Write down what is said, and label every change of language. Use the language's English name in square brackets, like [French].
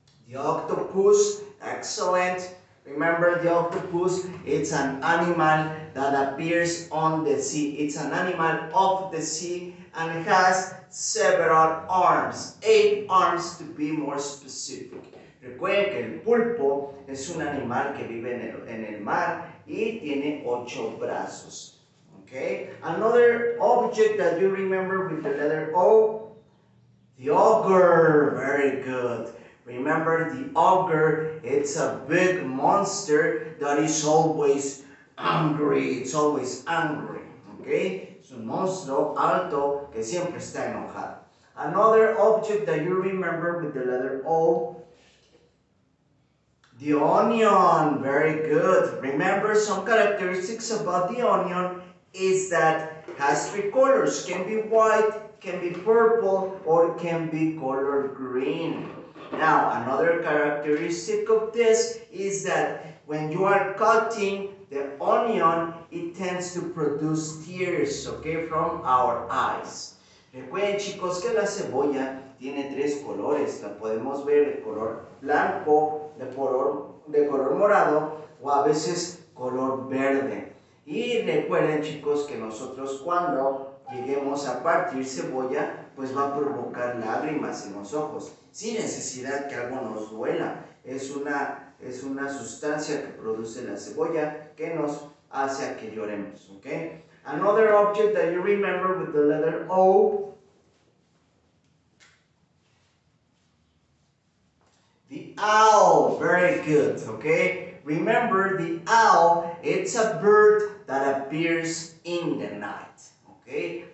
[English] The octopus, excellent. Remember the octopus? It's an animal that appears on the sea. It's an animal of the sea and has several arms, 8 arms to be more specific. [Spanish] Recuerden que el pulpo es un animal que vive en el mar y tiene 8 brazos. [English] Okay? Another object that you remember with the letter O? The ogre. Very good. Remember the ogre? It's a big monster that is always angry. It's always angry. Okay? [Spanish] Es un monstruo alto que siempre está enojado. [English] Another object that you remember with the letter O? The onion, very good. Remember some characteristics about the onion is that has 3 colors, can be white, can be purple, or can be color green. Now, another characteristic of this is that when you are cutting the onion, it tends to produce tears, okay, from our eyes. [Spanish] Recuerden, chicos, que la cebolla tiene 3 colores. La podemos ver de color blanco, de color morado o a veces color verde. Y recuerden, chicos, que nosotros cuando lleguemos a partir cebolla, pues va a provocar lágrimas en los ojos, sin necesidad que algo nos duela. Es una sustancia que produce la cebolla que nos hace a que lloremos, ¿ok? [English] Another object that you remember with the letter O. The owl, very good, okay? Remember, the owl, it's a bird that appears in the night, okay?